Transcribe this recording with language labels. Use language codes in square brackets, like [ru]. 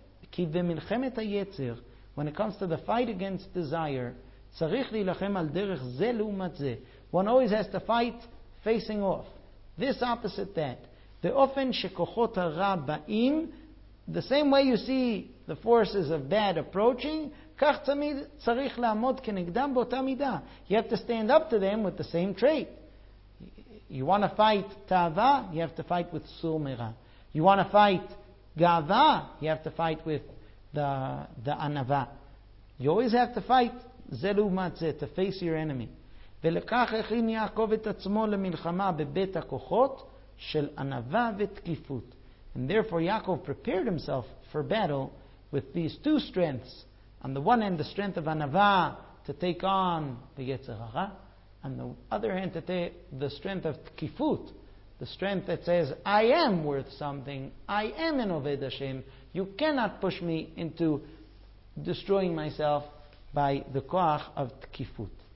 [he] כי במלחמת היצר, [en] when it comes to the fight against desire, [he] צריך להילחם על דרך זה לעומת זה. [en] One always has to fight facing off. This opposite that. [he] באופן שכוחות הרע באים, [en] the same way you see the forces of bad approaching, [he] כך תמיד צריך לעמוד כנגדם באותה מידה. [en] You have to stand up to them with the same trait. You want to fight ta'ava, you have to fight with sur mira. You want to fight gava, you have to fight with the anava. You always have to fight [he] zelu matze, [en] to face your enemy. [he] ולכך הכין יעקב את עצמו למלחמה בבית הכוחות של anava ותקיפות. [en] And therefore Yaakov prepared himself for battle with these two strengths. On the one hand, the strength of anava to take on the yetzer hara. On the other hand, the strength of tkifut, the strength that says, I am worth something, I am an Oved Hashem, you cannot push me into destroying myself by the koach of tkifut.